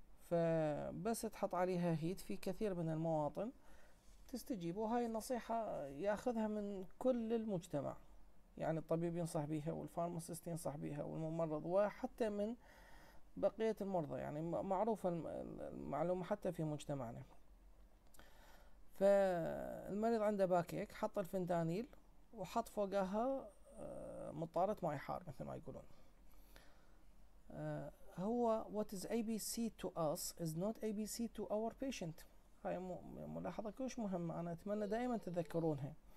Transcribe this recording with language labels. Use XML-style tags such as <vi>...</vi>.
<ar>فبس تحط عليها هيت في كثير من المواطن تستجيب، وهاي النصيحة ياخذها من كل المجتمع، يعني الطبيب ينصح بيها والفارماسيست ينصح بيها والممرض وحتى من بقية المرضى، يعني معروفة المعلومة حتى في مجتمعنا. فالمريض عنده باكيك، حط الفنتانيل وحط فوقها مطارة ماي حار مثل ما يقولون.</ar> <en>هو what is ABC to us is not ABC to our patient.</en> <ar>هاي ملاحظة كلش مهمة، أنا أتمنى دائما تذكرونها.</ar>